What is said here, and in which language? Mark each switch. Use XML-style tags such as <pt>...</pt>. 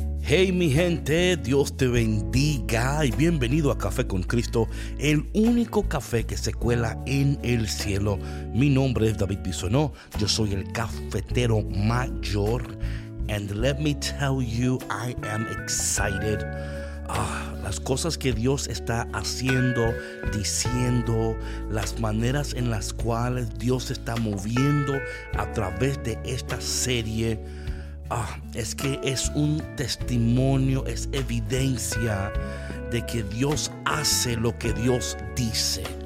<es>Hey mi gente, Dios te bendiga y bienvenido a Café con Cristo, el único café que se cuela en el cielo. Mi nombre es David Bisonó, yo soy el cafetero mayor.</es> <en>And let me tell you, I am excited.</en> <es>Las cosas que Dios está haciendo, diciendo, las maneras en las cuales Dios se está moviendo a través de esta serie. Es que es un testimonio, es evidencia de que Dios hace lo que Dios dice.</es>